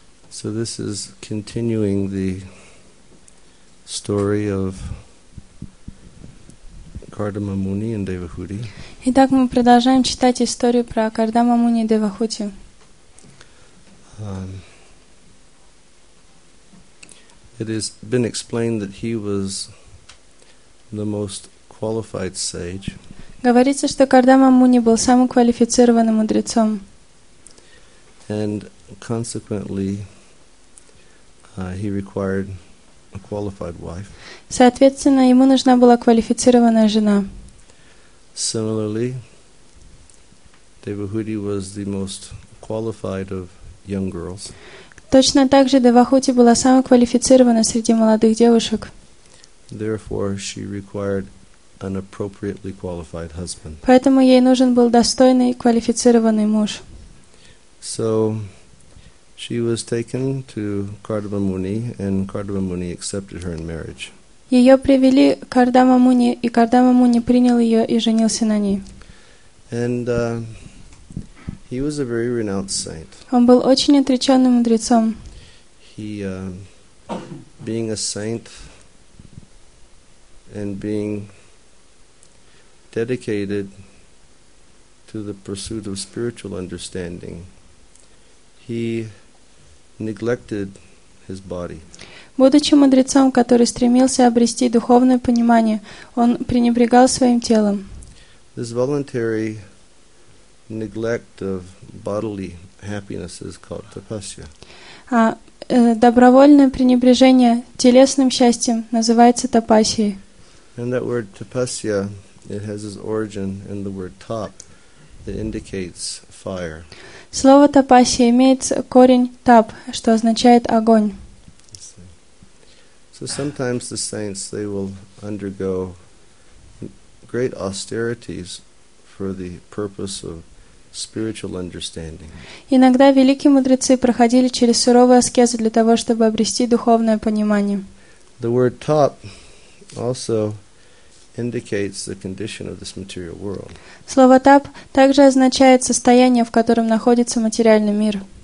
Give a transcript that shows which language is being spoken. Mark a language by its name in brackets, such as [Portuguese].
[English] So this is continuing the story of Kardama Muni and Devahuti. [Russian] Итак, мы продолжаем читать историю про Кардама Муни и Девахути. [English] It has been explained that he was the most qualified sage. [Russian] Говорится, что Кардама Муни был самым квалифицированным мудрецом. [English] And consequently, he required a qualified wife. [Russian] Соответственно, ему нужна была квалифицированная жена. [English] Similarly, Devahuti was the most qualified of young girls. [Russian] Точно так же Девахути была самой квалифицированной среди молодых девушек. [English] Therefore, she required an appropriately qualified husband. [Russian] Поэтому ей нужен был достойный квалифицированный муж. [English] So she was taken to Kardama Muni, and Kardama Muni accepted her in marriage. [Russian] Ее привели Кардама Муни, и Кардама Муни принял ее и женился на ней. [English] And he was a very renowned saint. [Russian] Он был очень отреченным мудрецом. [English] He, being a saint and being dedicated to the pursuit of spiritual understanding, he neglected his body. [Russian] Будучи мудрецом, который стремился обрести духовное понимание, он пренебрегал своим телом. [English] This voluntary neglect of bodily happiness is called tapasya. [Russian] Добровольное пренебрежение телесным счастьем называется тапасией. [English] And that word tapasya, it has its origin in the word tap, that indicates fire. [Russian] Слово тапасия имеет корень тап, что означает огонь. [English] So sometimes the saints, they will undergo great austerities for the purpose of spiritual understanding. [Russian] Иногда великие мудрецы проходили через суровые аскезы для того, чтобы обрести духовное понимание. [English] The word tap also indicates the condition of this material world. [Russian] Слово тап также означает состояние, в котором находится материальный мир.